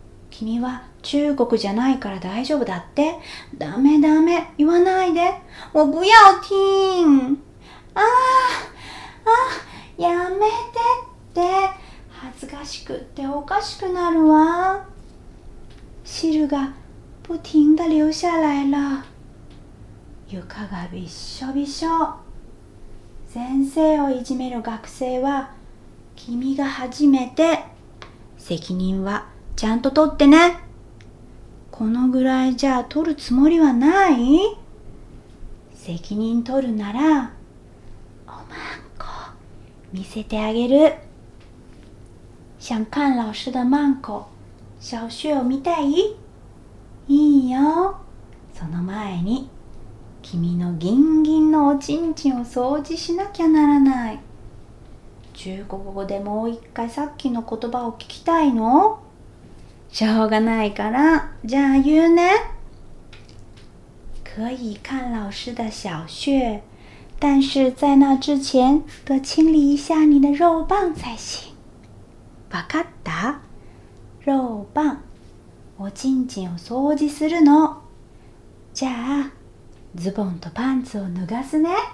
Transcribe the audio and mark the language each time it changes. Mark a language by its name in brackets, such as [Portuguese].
[Japanese] 君は中国じゃないから大丈夫だって。ダメダメ、言わないで。 [Chinese] 我不要听。 [Japanese] やめてって。恥ずかしくっておかしくなるわ。汁が [Chinese] 不停地流下来了。 [Japanese] 床がびっしょびしょ。先生をいじめる学生は君が初めて。責任はちゃんと取ってね。このぐらいじゃ取るつもりはない？責任取るならおまんこ見せてあげる。 [Chinese] 想看老师的 [Japanese] まんこ、小雪を見たい？いいよ。その前に君のギンギンのおちんちんを掃除しなきゃならない。中国語でもう一回さっきの言葉を聞きたいの？しょうがないから、じゃあ言うね。 [Chinese] 可以看老师的小穴，但是在那之前得清理一下你的肉棒才行。 [Japanese] わかった？肉棒、おちんちんを掃除するの。じゃあズボンとパンツを脱がすね。